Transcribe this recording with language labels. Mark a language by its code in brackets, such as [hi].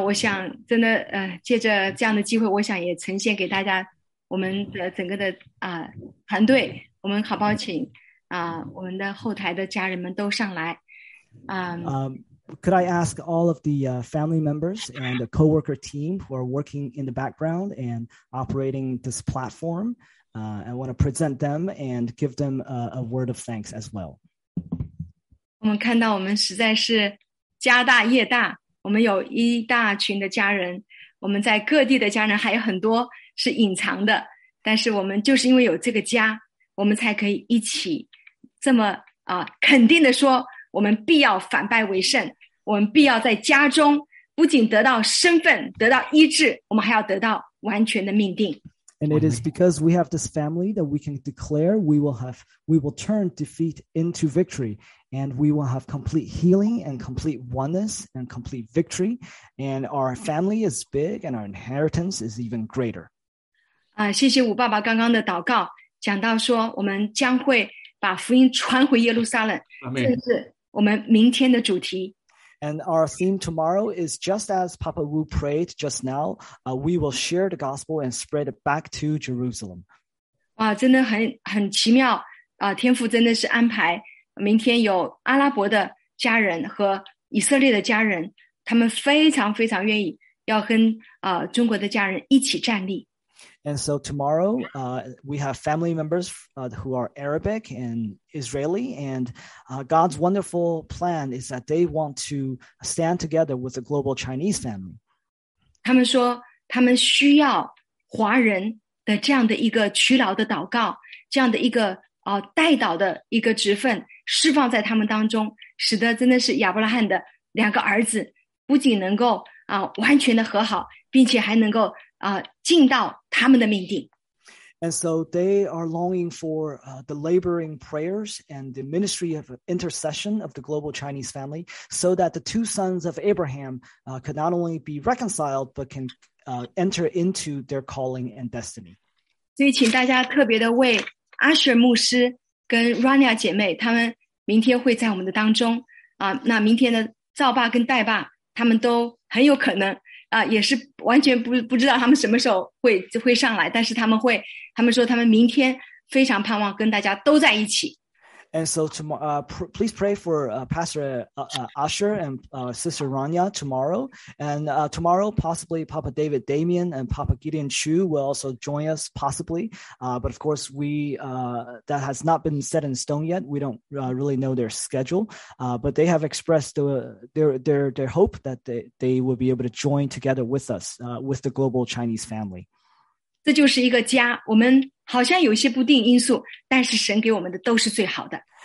[zh] 我想真的，借着这样的机会，我想也呈现给大家我们的整个的啊、团队，我们好不好请啊、我们的后台的家人们都上来啊、 [en] Could I ask all of the family members and the coworker team who are working in the background and operating this platform? I want to present them and give them a word of thanks as well. [zh] 我们看到我们实在是家大业大，我们有一大群的家人，我们在各地的家人还有很多是隐藏的，但是我们就是因为有这个家，我们才可以一起这么肯定的说，我们必要反败为胜，我们必要在家中不仅得到身份，得到医治，我们还要得到完全的命定。 [en] And it is because we have this family that we can declare we will turn defeat into victory, and we will have complete healing and complete oneness and complete victory, and our family is big and our inheritance is even greater. [zh] 谢谢吴爸爸刚刚的祷告，讲到说我们将会把福音传回耶路撒冷，这是我们明天的主题。 [en] And our theme tomorrow is just as Papa Wu prayed just now, we will share the gospel and spread it back to Jerusalem. [zh] 哇，真的很奇妙啊！天父真的是安排明天有阿拉伯的家人和以色列的家人，他们非常非常愿意要跟中国的家人一起站立。 [en] And so tomorrow, we have family members who are Arabic and Israeli, and God's wonderful plan is that they want to stand together with the global Chinese family. [zh] 他们说他们需要华人的这样的一个取祷的祷告，这样的一个代祷的一个职分释放在他们当中，使得真的是亚伯拉罕的两个儿子不仅能够完全的和好，并且还能够进到他们的命定。 [en] And so they are longing for the laboring prayers and the ministry of intercession of the global Chinese family so that the two sons of Abraham could not only be reconciled but can enter into their calling and destiny. [zh] 所以请大家特别的为阿雪牧师跟 Rania 姐妹，他们明天会在我们的当中那明天的赵爸跟戴爸他们都很有可能啊，也是完全不知道他们什么时候会上来，但是他们说他们明天非常盼望跟大家都在一起。 [en] And so tomorrow, please pray for Pastor Usher and Sister Rania tomorrow. And tomorrow, possibly Papa David Damien and Papa Gideon Chu will also join us, possibly. But of course, that has not been set in stone yet. We don't really know their schedule. But they have expressed their hope that they will be able to join together with us, with the global Chinese family. [zh] 这就是一个家，我们好像有一些不定因素，但是神给我们的都是最好的。